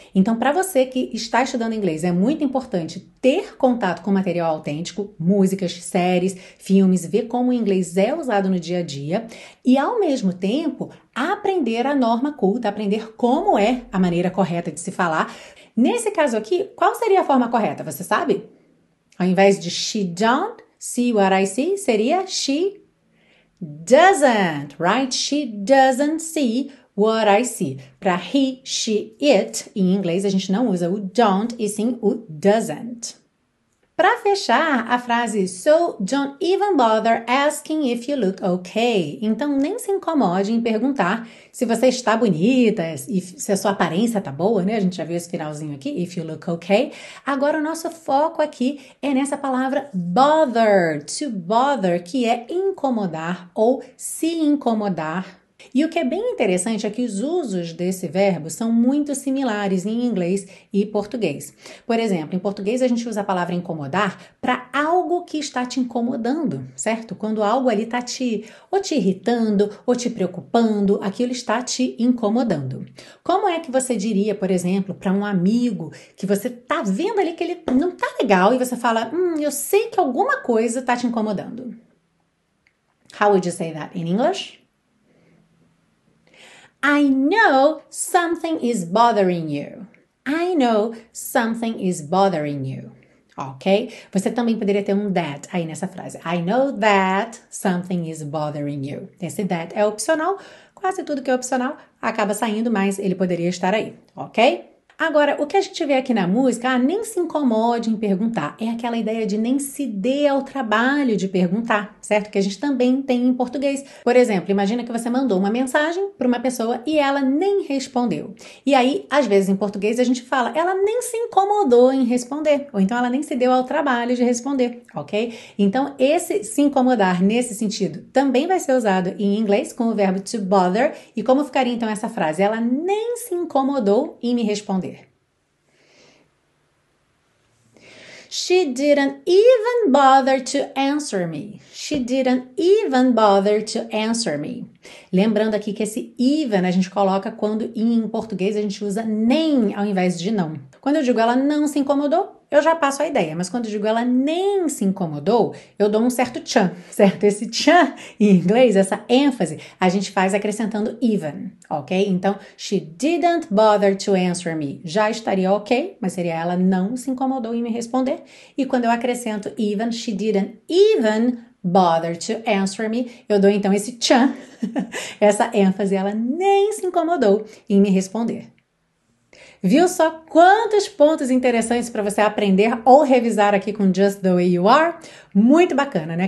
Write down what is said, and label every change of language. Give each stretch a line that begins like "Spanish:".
Portuguese: Então, para você que está estudando inglês, é muito importante ter contato com material autêntico, músicas, séries, filmes, ver como o inglês é usado no dia a dia e, ao mesmo tempo, aprender a norma culta, aprender como é a maneira correta de se falar. Nesse caso aqui, qual seria a forma correta? Você sabe? Ao invés de
English: she don't see what I see,
Portuguese: seria
English: she doesn't, right? She doesn't see what I see.
Portuguese: Para he, she, it, em inglês, a gente não usa o don't e sim o doesn't. Para fechar a frase,
English: so don't even bother asking if you look okay.
Portuguese: Então, nem se incomode em perguntar se você está bonita e se a sua aparência está boa, né? A gente já viu esse finalzinho aqui,
English: if you look okay.
Portuguese: Agora, o nosso foco aqui é nessa palavra bother, to bother, que é incomodar ou se incomodar. E o que é bem interessante é que os usos desse verbo são muito similares em inglês e português. Por exemplo, em português a gente usa a palavra incomodar para algo que está te incomodando, certo? Quando algo ali está te ou te irritando ou te preocupando, aquilo está te incomodando. Como é que você diria, por exemplo, para um amigo que você está vendo ali que ele não está legal e você fala, eu sei que alguma coisa está te incomodando?
English: How would you say that in English? I know something is bothering you. I know something is bothering you. Ok?
Portuguese: Você também poderia ter um that aí nessa frase.
English: I know that something is bothering you.
Portuguese: Esse that é opcional. Quase tudo que é opcional acaba saindo, mas ele poderia estar aí. Ok? Agora, o que a gente vê aqui na música, nem se incomode em perguntar. É aquela ideia de nem se dê ao trabalho de perguntar, certo? Que a gente também tem em português. Por exemplo, imagina que você mandou uma mensagem para uma pessoa e ela nem respondeu. E aí, às vezes, em português, a gente fala, ela nem se incomodou em responder. Ou então, ela nem se deu ao trabalho de responder, ok? Então, esse se incomodar nesse sentido também vai ser usado em inglês com o verbo to bother. E como ficaria então essa frase? Ela nem se incomodou em me responder.
English: She didn't even bother to answer me. She didn't even bother to answer me.
Portuguese: Lembrando aqui que esse even a gente coloca quando em português a gente usa nem ao invés de não. Quando eu digo ela não se incomodou, eu já passo a ideia, mas quando eu digo ela nem se incomodou, eu dou um certo tchan, certo? Esse tchan em inglês, essa ênfase, a gente faz acrescentando even, ok?
English: Então, she didn't bother to answer me.
Portuguese: Já estaria ok, mas seria ela não se incomodou em me responder. E quando eu acrescento even,
English: she didn't even bother to answer me,
Portuguese: eu dou então esse tchan, essa ênfase, ela nem se incomodou em me responder. Viu só quantos pontos interessantes para você aprender ou revisar aqui com Just the Way You Are? Muito bacana, né?